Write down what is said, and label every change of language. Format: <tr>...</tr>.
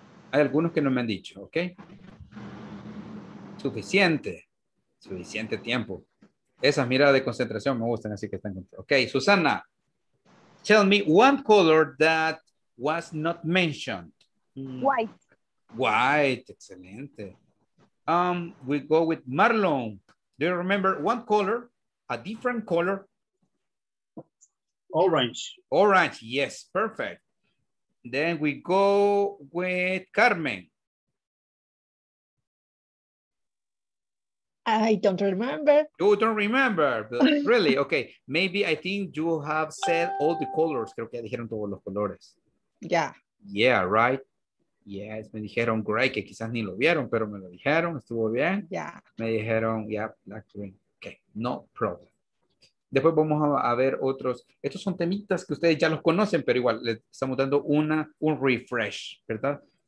<es>Hay algunos que no me han dicho, ok. Suficiente. Suficiente tiempo. Esas miradas de concentración me gustan, así que están contentos. Ok, Susana.</es> <en>Tell me one color that was not mentioned. White. White, excelente. We go with Marlon. Do you remember one color, a different color? Orange. Orange, yes, perfect. Then we go with Carmen. I don't remember. You don't remember, but really? Okay, maybe I think you have said all the colors.</en> <es>Creo que dijeron todos los colores.</es> <en>Yeah. Yeah, right.</en> <es>Yes, me dijeron gray, que quizás ni lo vieron, pero me lo dijeron, estuvo bien.</es> <en>Yeah.</en> <es>Me dijeron, yeah, black, green.</es> <en>Okay, no problem.</en> <es>Después vamos a ver otros. Estos son temitas que ustedes ya los conocen, pero igual les estamos dando un refresh, ¿verdad?</es>